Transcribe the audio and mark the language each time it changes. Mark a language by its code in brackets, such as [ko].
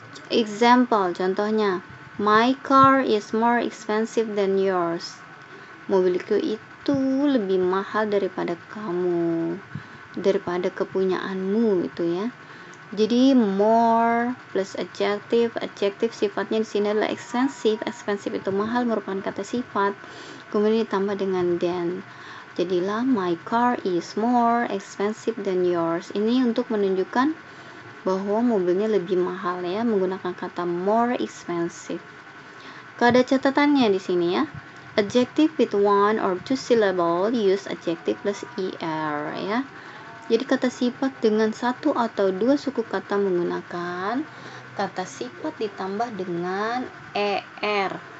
[en] Example, contohnya, my car is more expensive than yours. [id] Mobilku itu lebih mahal daripada kamu, daripada kepunyaanmu itu ya. Jadi more plus adjective, adjective sifatnya di sini adalah expensive, expensive itu mahal merupakan kata sifat. Kemudian ditambah dengan than. [en] Jadilah my car is more expensive than yours. [id] Ini untuk menunjukkan bahwa mobilnya lebih mahal ya, menggunakan kata more expensive. Kalau ada catatannya di sini ya. [en] Adjective with one or two syllable, use adjective plus er ya. [id] Jadi kata sifat dengan satu atau dua suku kata menggunakan kata sifat ditambah dengan er.